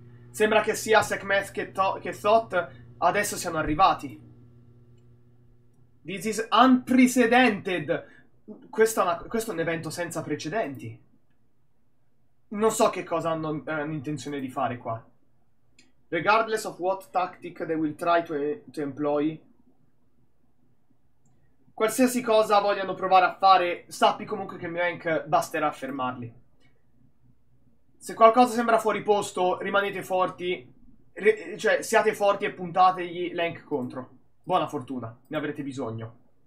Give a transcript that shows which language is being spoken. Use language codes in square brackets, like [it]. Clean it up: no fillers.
[it] Sembra che sia Sekhmet che Thoth adesso siano arrivati. [en] This is unprecedented. [it] Questo è un evento senza precedenti. Non so che cosa hanno intenzione di fare qua. [en] Regardless of what tactic they will try to employ. [it] Qualsiasi cosa vogliano provare a fare, sappi comunque che Mank basterà a fermarli. Se qualcosa sembra fuori posto, rimanete forti, cioè siate forti e puntategli Lank contro. Buona fortuna, ne avrete bisogno.